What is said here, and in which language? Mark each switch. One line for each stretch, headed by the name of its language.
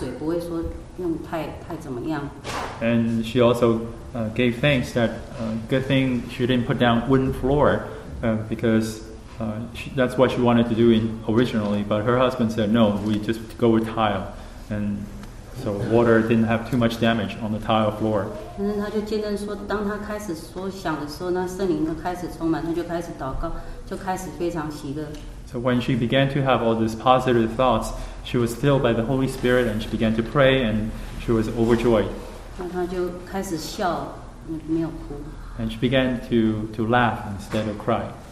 Chinese: 然后他又开始感谢神说，哦，他不是弄木地板，他那时候真的很久想要木地板，结果他先生说用瓷的地板，所以还好那水不会说用太怎么样。
English: And she also gave thanks that good thing she didn't put down wooden floor because that's what she wanted to do originally. But her husband said, no, we just go with tile. And so water didn't have too much damage on the tile floor.
Chinese: 但是他就见证说，当他开始所想的时候，那圣灵就开始充满，他就开始祷告，就开始非常喜乐。
English: So when she began to have all these positive thoughts, she was filled by the Holy Spirit, and she began to pray, and she was overjoyed.
Chinese: 那他就开始笑，没有哭。
English: And she began to laugh instead of cry.